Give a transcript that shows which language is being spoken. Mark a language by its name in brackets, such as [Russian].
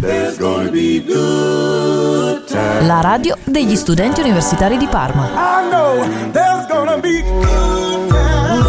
[English] There's gonna be good times. [Italian] La radio degli studenti universitari di Parma. [English] I know there's gonna be good times.